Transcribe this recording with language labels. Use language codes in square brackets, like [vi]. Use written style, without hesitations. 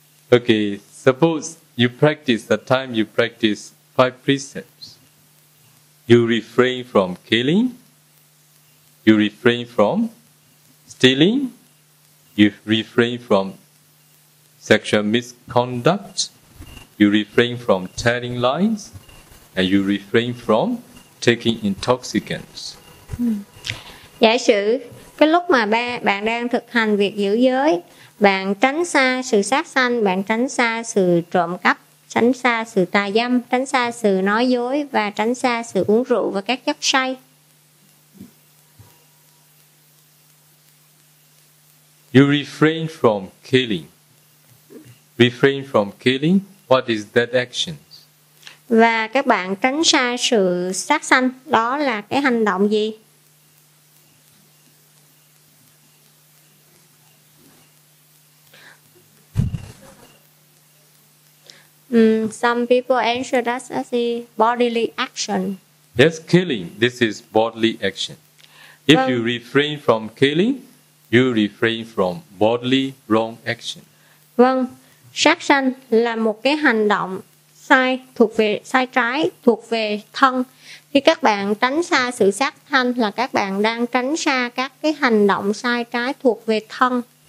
[en] Okay, suppose you practice, the time you practice five precepts, you refrain from killing, you refrain from stealing, you refrain from sexual misconduct, you refrain from telling lies, and you refrain from taking intoxicants. [vi] Giả sử cái lúc mà bạn đang thực hành việc giữ giới, bạn tránh xa sự sát sanh, bạn tránh xa sự trộm cắp, tránh xa sự tà dâm, tránh xa sự nói dối và tránh xa sự uống rượu và các chất say. [en] You refrain from killing. Refrain from killing, what is that action? [vi] Và các bạn tránh xa sự sát sanh, đó là cái hành động gì? [en] Some people answer that as a bodily action. Yes, killing. This is bodily action. If you refrain from killing, you refrain from bodily wrong action. [vi] Vâng, sát sanh là một cái hành động sai, thuộc về sai trái, thuộc về thân. Khi các bạn tránh xa sự sát sanh là các bạn đang tránh xa các cái hành động sai trái thuộc về thân.